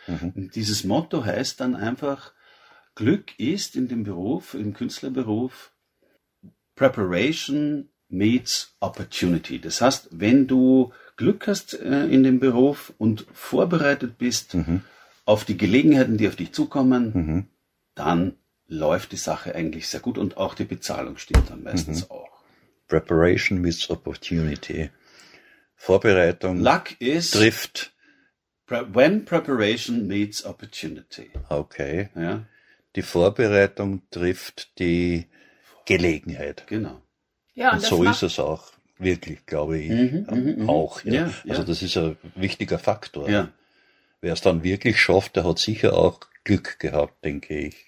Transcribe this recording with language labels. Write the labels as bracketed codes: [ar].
[de] Und dieses Motto heißt dann einfach, Glück ist in dem Beruf, im Künstlerberuf, [en] Preparation meets Opportunity. [de] Das heißt, wenn du Glück hast in dem Beruf und vorbereitet bist auf die Gelegenheiten, die auf dich zukommen, dann läuft die Sache eigentlich sehr gut und auch die Bezahlung stimmt dann meistens auch. [en] Preparation meets Opportunity. [de] Vorbereitung [en] Luck is [de] trifft. [en] When preparation meets opportunity. Okay. [de] Ja. Die Vorbereitung trifft die Gelegenheit. Genau. Ja, und so ist es auch wirklich, glaube ich, auch. Ja. Ja, also das ist ein wichtiger Faktor. Ja. Wer es dann wirklich schafft, der hat sicher auch Glück gehabt, denke ich.